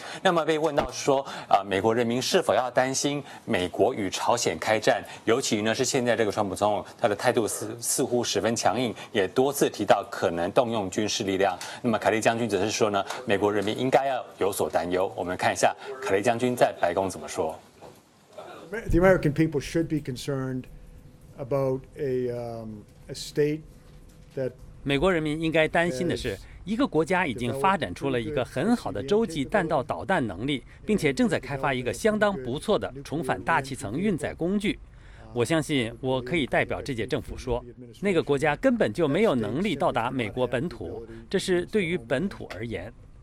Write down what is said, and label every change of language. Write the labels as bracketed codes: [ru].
[zh] 那么被问到说，美国人民是否要担心美国与朝鲜开战，尤其呢是现在这个川普总统，他的态度似乎十分强硬，也多次提到可能动用军事力量。那么凯利将军则是说呢，美国人民应该要有所担忧。我们看一下凯利将军在白宫怎么说。 [en] The American people should be concerned about a state that. [zh] 美国人民应该担心的是，一个国家已经发展出了一个很好的洲际弹道导弹能力，并且正在开发一个相当不错的重返大气层运载工具。我相信我可以代表这届政府说，那个国家根本就没有能力到达美国本土，这是对于本土而言。